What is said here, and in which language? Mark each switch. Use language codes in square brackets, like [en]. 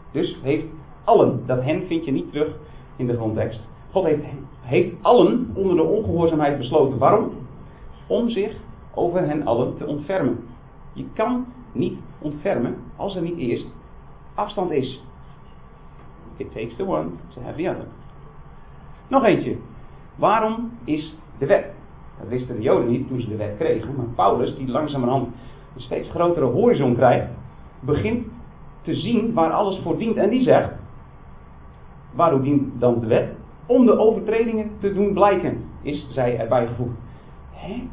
[nl] Dus heeft allen, dat hen vind je niet terug in de grondtekst. God heeft allen onder de ongehoorzaamheid besloten. Waarom? Om zich over hen allen te ontfermen. Je kan niet ontfermen als er niet eerst afstand is. [en] It takes the one to have the other. [nl] Nog eentje. Waarom is de wet? Dat wisten de Joden niet toen ze de wet kregen, maar Paulus, die langzamerhand een steeds grotere horizon krijgt, begint te zien waar alles voor dient. En die zegt, waarom dient dan de wet? Om de overtredingen te doen blijken, is zij erbij gevoegd. Hè?